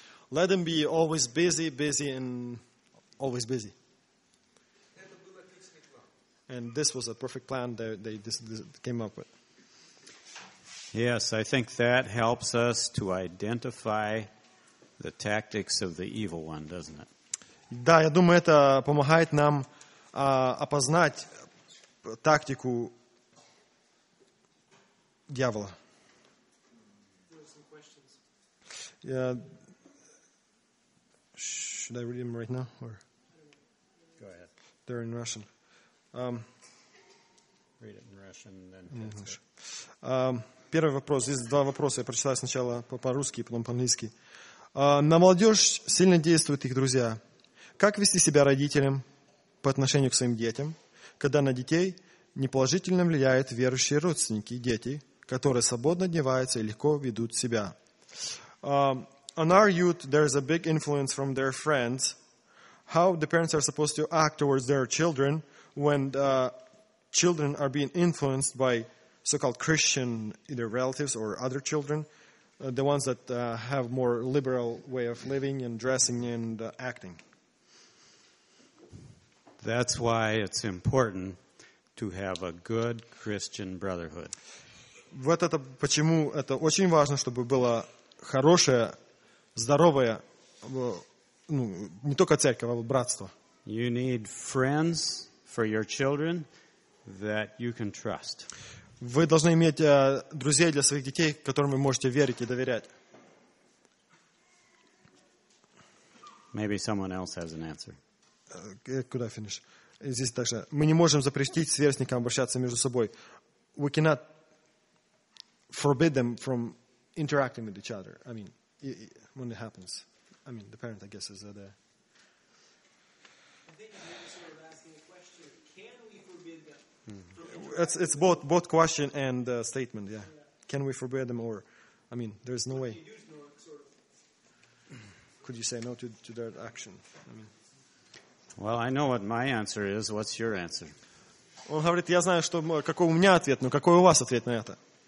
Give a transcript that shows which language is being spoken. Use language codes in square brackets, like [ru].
[en] Let them be always busy, busy, and always busy. And this was a perfect plan that they came up with. Yes, I think that helps us to identify the tactics of the evil one, doesn't it? [ru] Да, я думаю, это помогает нам опознать тактику дьявола. [en] Should I read them right now? Or? Go ahead. They're in Russian. Read it in Russian, then in English. [ru] Первый вопрос. Есть два вопроса. Я прочитаю сначала по-русски, потом по-английски. На молодежь сильно действуют их друзья. Как вести себя родителям по отношению к своим детям, когда на детей неположительно влияют верующие родственники, дети, которые свободно одеваются и легко ведут себя? [en] On our youth, there is a big influence from their friends. How the parents are supposed to act towards their children when children are being influenced by so-called Christian either relatives or other children, the ones that have more liberal way of living and dressing and acting? That's why it's important to have a good Christian brotherhood. [ru] Вот это почему это очень важно, чтобы было хорошее, здоровое, ну, не только церковь, а братство. [en] You need friends for your children that you can trust. [ru] Вы должны иметь друзей для своих детей, которым вы можете верить и доверять. [en] Maybe someone else has an answer. [ru] Куда финиш? Здесь также. Мы не можем запретить сверстникам обращаться между собой. [en] We cannot forbid them from interacting with each other. I mean, when it happens. I mean, the parent, I guess, is there. It's both question and statement, yeah. Can we forbid them or, I mean, there's no way. Could you say no to their action? I mean. Well, I know what my answer is. What's your answer? [ru] Он говорит, я знаю, что какой у меня ответ, но какой у вас ответ на это?